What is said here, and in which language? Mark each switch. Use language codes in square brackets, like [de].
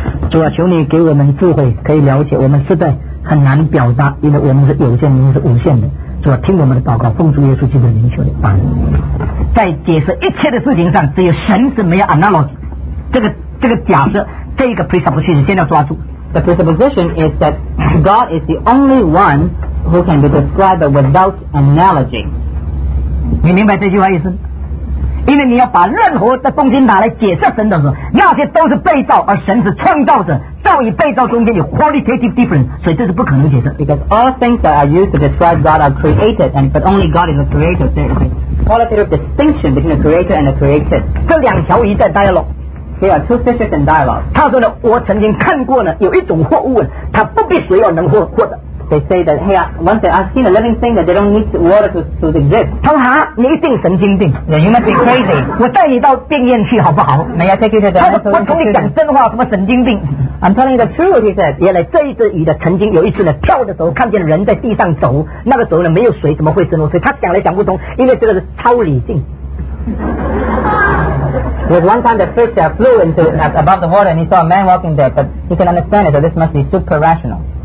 [zh] 主啊，求你给我们智慧，可以了解我们实在很难表达，因为我们是有限，你是无限的。主啊，听我们的祷告，奉主耶稣基督的名求你。在解释一切的事情上，只有神是没有 analogy。这个假设，这个 presupposition 先要抓住。 [en] The presupposition is that God is the only one who can be described without analogy。 [zh] 你明白这句话意思？因为你要把任何的东西拿来解释神的时候，那些都是被造，而神是创造者。造与被造中间有 qualitative difference， 所以这是不可能解释。 [en] Because all things that are used to describe God are created, and but only God is the creator. There is a qualitative distinction between the creator and the created. [zh] 这两条鱼在 dialogue. [en] There are two fishes in dialogue. [zh] 他说呢，我曾经看过呢，有一种货物，它不必水而能活的。 [en] They say that hey, once I've seen a living thing that they don't need water to exist. [zh] 他说哈，你一定神经病。 [en] Yeah, you must be crazy. [zh] 我带你到病院去好不好？ [en] May I take you to the hospital? [zh] 他说我跟你讲真话，什么神经病？ [en] I'm telling you the truth, he said. [zh] 原来这一只鱼的曾经有一次呢，跳的时候看见人在地上走，那个时候呢没有水，怎么会生活？所以他讲来讲不通，因为这个是超理性。 [en] There was one time the fish that flew into above the water and he saw a man walking there, but he can understand it, so this must be super rational.